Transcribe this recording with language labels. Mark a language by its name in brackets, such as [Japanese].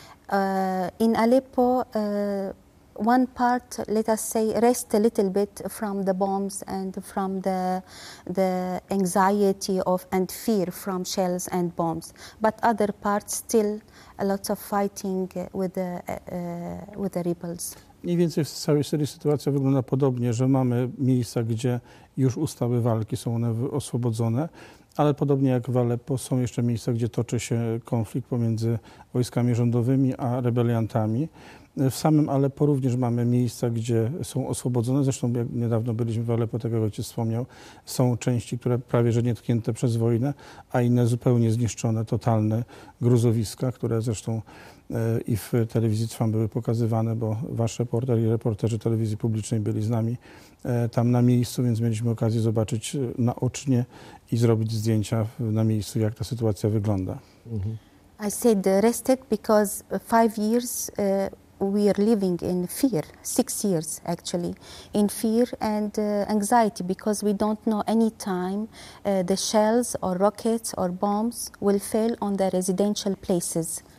[English] In Aleppo, one part, let us say, rest a little bit from the bombs and from the anxiety of and fear from shells and bombs. But other parts still a lot of fighting with the rebels. [Polish] Mniej więcej w całej Syrii sytuacja wygląda podobnie, że mamy miejsca, gdzie już ustały walki, są one oswobodzone. Ale podobnie jak w Aleppo są jeszcze miejsca, gdzie toczy się konflikt pomiędzy wojskami rządowymi a rebeliantami. W samym Aleppo również mamy miejsca, gdzie są oswobodzone. Zresztą jak niedawno byliśmy w Aleppo, tak jak ojciec wspomniał, są części, które prawie że nietknięte przez wojnę, a inne zupełnie zniszczone, totalne gruzowiska, które zresztą i w telewizji Trwam były pokazywane, bo wasz reporter i reporterzy telewizji publicznej byli z nami tam na miejscu, więc mieliśmy okazję zobaczyć naocznie i zrobić zdjęcia na miejscu, jak ta sytuacja wygląda. [English] I said rested because 5 years we are living in fear, 6 years actually, in fear and anxiety because we don't know any time the shells or rockets or bombs will fail on the residential places.